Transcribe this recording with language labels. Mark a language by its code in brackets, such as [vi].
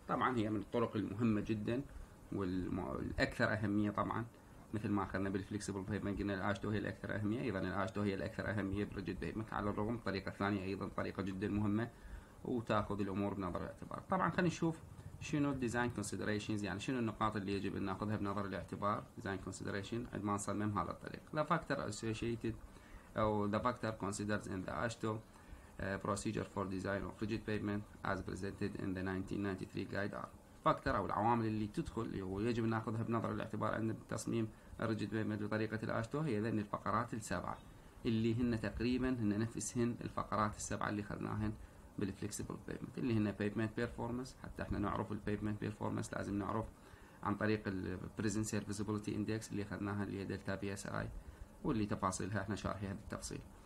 [ar] طبعا هي من الطرق المهمة جدا والاكثر اهمية، طبعا مثل ما اخذنا بالفليكسيبل بايمنت قلنا الاشتو هي الاكثر اهمية، ايضا الاشتو هي الاكثر اهمية بريجيد بايمنت، على الرغم الطريقة الثانية ايضا طريقة جدا مهمة وتاخذ الامور بنظر الاعتبار. طبعا خلينا نشوف شنو الديزاين كونسيدريشنز، يعني شنو النقاط اللي يجب ان ناخذها بنظر الاعتبار ديزاين كونسيدريشن عندما نصمم هذا الطريق. [en] The factor associated او the factor considered in the ASHTO procedure for design of rigid pavement as presented in the 1993 guide are. [ar] Factor او العوامل اللي تدخل ويجب ان ناخذها بنظر الاعتبار عند تصميم الريجيد بيمنت بطريقه الاشتو هي ذن الفقرات السبعه اللي هن تقريبا هن نفسهن الفقرات السبعه اللي خذناهن بالفليكسيبل بيمنت، اللي هنا بيمنت بيرفورمانس. حتى احنا نعرف البيمنت بيرفورمانس لازم نعرف عن طريق البريزنت سيرفيسبيليتي اندكس اللي اخذناها اللي هي دلتا بي اس اي، واللي تفاصيلها احنا شارحيها بالتفصيل.